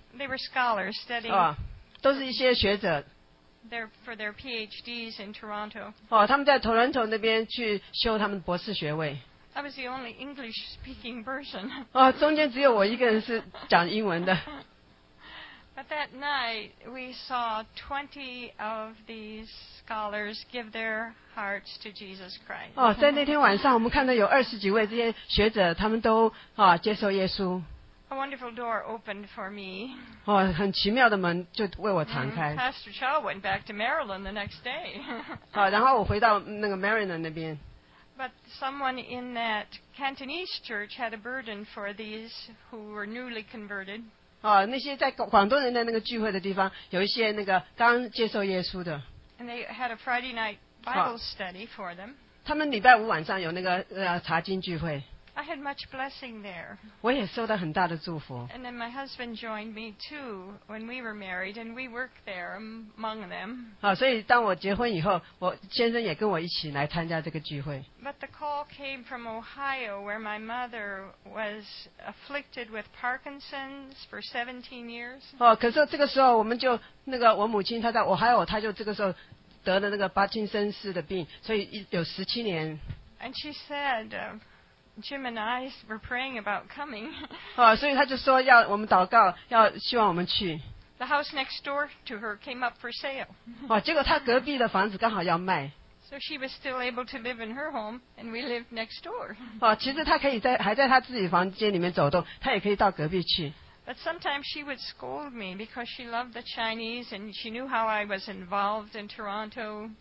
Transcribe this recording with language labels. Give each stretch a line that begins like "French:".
English: They were scholars studying.
Chinese: 哦，都是一些学者。
English: They're for their PhDs in Toronto.
Chinese: 哦，他们在 Toronto 那边去修他们博士学位。
English: I was the only English-speaking person.
Chinese: 哦，中间只有我一个人是讲英文的。
English: But that night we saw 20 of these scholars give their hearts to Jesus Christ.
Chinese: 哦，在那天晚上，我们看到有二十几位这些学者，他们都啊接受耶稣。
English: A wonderful door opened for me.
Chinese: 哦，很奇妙的门就为我敞开。
English: Pastor Chow went back to Maryland the next day.
Chinese: 好，然后我回到那个 Maryland 那边。
English: But someone in that Cantonese church had a burden for these who were newly converted.
Chinese: 哦，那些在广东人的那个聚会的地方，有一些那个刚接受耶稣的。
English: And they had a Friday night Bible study for them.
Chinese: 他们礼拜五晚上有那个查经聚会。
English: I had much blessing there.
Chinese: 我也受到很大的祝福。
English: And then my husband joined me too when we were married, and we worked there among them.
Chinese: 好，所以当我结婚以后，我先生也跟我一起来参加这个聚会。
English: But the call came from Ohio, where my mother was afflicted with Parkinson's for 17 years.
Chinese: 哦，可是这个时候我们就那个我母亲她在 Ohio， 她就这个时候得了那个帕金森氏的病，所以有17年。
English: And she said. Jim and I were praying about coming.
Chinese: 哦，所以他就说要我们祷告，要希望我们去。
English: The house next door to her came up for sale.
Chinese: 哦，结果他隔壁的房子刚好要卖。
English: So she was still able to live in her home, and we lived next door.
Chinese: 哦，其实他可以在还在他自己房间里面走动，他也可以到隔壁去。
English: But sometimes she would scold me because she loved the Chinese and she knew how I was involved in Toronto.